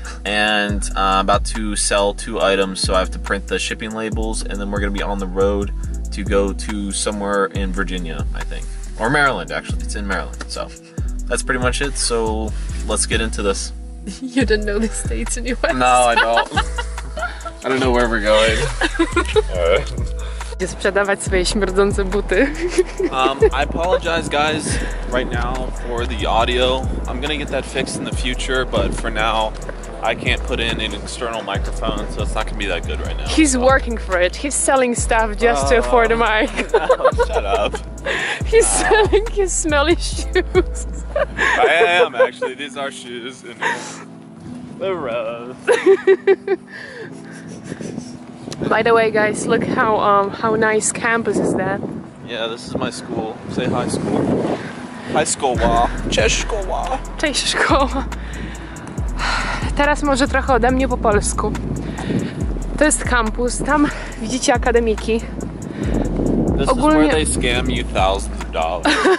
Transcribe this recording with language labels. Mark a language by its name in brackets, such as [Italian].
[English] And I'm about to sell two items, so I have to print the shipping labels, and then we're going to be on the road to go to somewhere in Virginia, I think. Or Maryland, actually. It's in Maryland. So that's pretty much it. So let's get into this. You didn't know the states in US. No, I don't. I don't know where we're going. [Polish] Gdzie sprzedawać swoje śmierdzące buty. [English] I apologize, guys, right now for the audio. I'm going to get that fixed in the future, but for now, I can't put in an external microphone, so it's not going to be that good right now. He's working for it. He's selling stuff just to afford a mic. No, shut up. He's selling his smelly shoes. I am, actually. These are shoes. And the rose. By the way, guys, look how nice campus is that. Yeah, this is my school. Say hi, school. [Polish] Hi, szkoła. Cześć, szkoła. Cześć, szkoła. Teraz może trochę ode mnie po polsku. To jest kampus, tam widzicie akademiki. [English] This [Polish] ogólnie... [English] is where they scam you thousands of dollars.